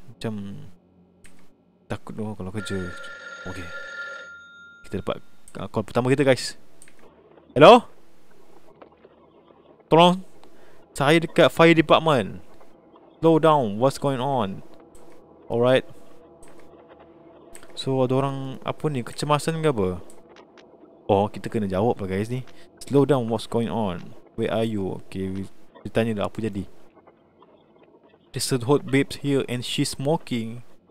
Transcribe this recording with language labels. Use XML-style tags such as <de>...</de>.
<ms>Macam takut dong kalau kerja. Okay, kita dapat call pertama kita guys. Hello, tolong, saya dekat fire department.</ms> <en>Slow down, what's going on? Alright.</en> <ms>So ada orang apa ni, kecemasan ke apa? Oh, kita kena jawab lah guys ni.</ms> <en>Slow down, what's going on? Where are you? Okay,</en> <ms>kita tanya dah apa jadi.</ms> <en>There's a hot babe here and she's smoking.</en>